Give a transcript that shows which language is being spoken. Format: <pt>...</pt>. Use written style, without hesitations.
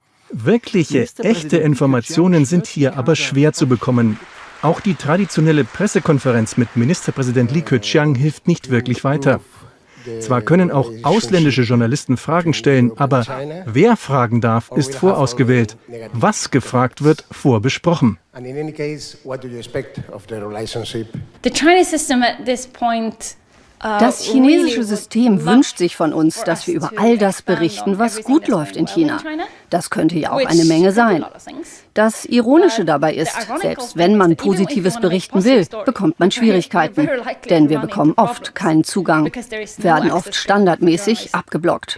<de>Wirkliche, echte Informationen sind hier aber schwer zu bekommen. Auch die traditionelle Pressekonferenz mit Ministerpräsident Li Keqiang hilft nicht wirklich weiter. Zwar können auch ausländische Journalisten Fragen stellen, aber wer fragen darf, ist vorausgewählt. Was gefragt wird, vorbesprochen.</de> <en>And in any case, what do you expect of the relationship? The Chinese system at this point.</en> <de>Das chinesische System wünscht sich von uns, dass wir über all das berichten, was gut läuft in China. Das könnte ja auch eine Menge sein. Das Ironische dabei ist, selbst wenn man Positives berichten will, bekommt man Schwierigkeiten. Denn wir bekommen oft keinen Zugang, werden oft standardmäßig abgeblockt.</de>